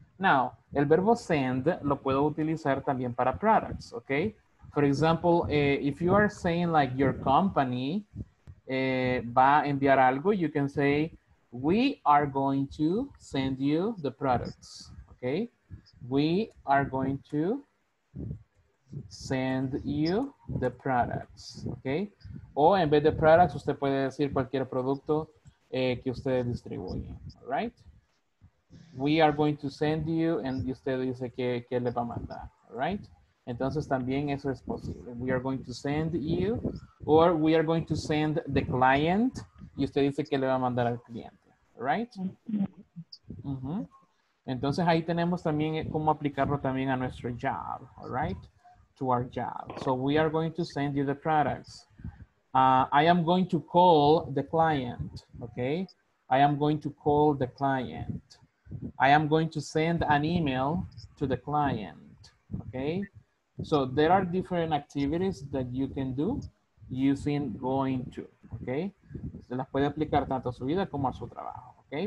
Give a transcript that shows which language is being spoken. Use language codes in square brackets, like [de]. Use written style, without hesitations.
[es] Now, el verbo send lo puedo utilizar también para products. [en] Okay. For example, if you are saying like your company [es] va a enviar algo, [en] you can say, we are going to send you the products. Okay. We are going to send you the products, okay? [es] O en vez de products, usted puede decir cualquier producto que usted distribuye, all right? [en] We are going to send you, and [es] usted dice que le va a mandar, [en] all right? [es] Entonces también eso es posible. [en] We are going to send you, or we are going to send the client, [es] y usted dice que le va a mandar al cliente, [en] all right? [es] Entonces ahí tenemos también cómo aplicarlo también a nuestro job, all right? [en] To our job. So we are going to send you the products. I am going to call the client, okay? I am going to call the client. I am going to send an email to the client, okay? So there are different activities that you can do using going to, okay? [es] Se las puede aplicar tanto a su vida como a su trabajo, okay?